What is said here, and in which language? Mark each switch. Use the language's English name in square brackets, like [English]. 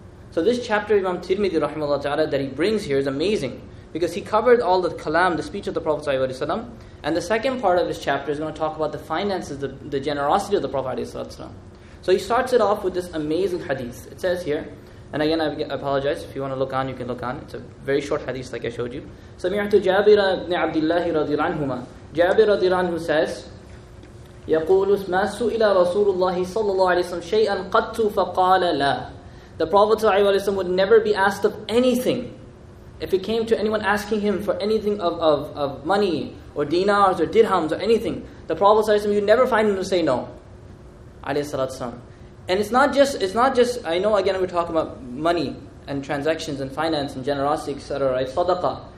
[English] So this chapter Imam Tirmidhi rahimahullah ta'ala that he brings here is amazing, because he covered all the kalam, the speech of the Prophet sallallahu alaihi wasallam. And the second part of this chapter is going to talk about the finances, the generosity of the Prophet sallallahu alaihi wasallam. So he starts it off with this amazing hadith. It says here, and again I apologize, if you want to look on, you can look on. It's a very short hadith like I showed you. [Arabic] Sami'tu Jabir ibn Abdullah radhiyallahu anhuma. Jabir radhiyallahu anhu says, يقول ما سئل رسول الله صلى الله عليه وسلم شيئا قط فقال لا. [English] The Prophet ﷺ would never be asked of anything. If it came to anyone asking him for anything of money, or dinars, or dirhams, or anything, the Prophet ﷺ, you'd never find him to say no. And it's not just, I know again we're talking about money, and transactions, and finance, and generosity, etc., right? Sadaqah.